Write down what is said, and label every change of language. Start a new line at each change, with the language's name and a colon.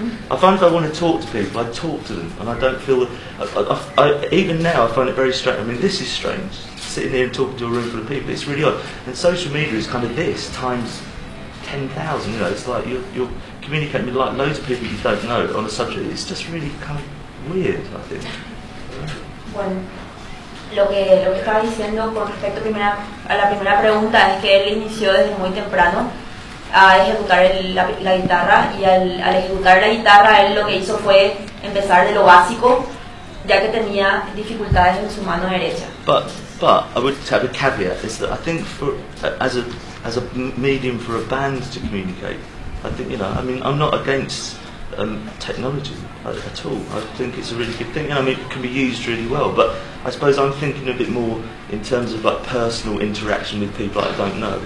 English: I find if I want to talk to people, I talk to them, and I don't feel that, even now I find it very strange. I mean, this is strange, sitting here and talking to a room full of people, it's really odd. And social media is kind of this, times 10,000, you know, it's like you're communicating with like loads of people you don't know on a subject. It's just really kind of weird, I think.
Spanish: Lo que estaba diciendo con respecto a la primera pregunta es que él inició desde muy temprano a ejecutar la guitarra, y al ejecutar la guitarra él lo que hizo fue empezar de lo básico, ya que tenía dificultades en su mano derecha.
English: But I would have a caveat, is that I think for as a medium for a band to communicate, I think, you know, I mean, I'm not against technology at all. I think it's a really good thing, and I mean, it can be used really well, but I suppose I'm thinking a bit more in terms of like personal interaction with people I don't know.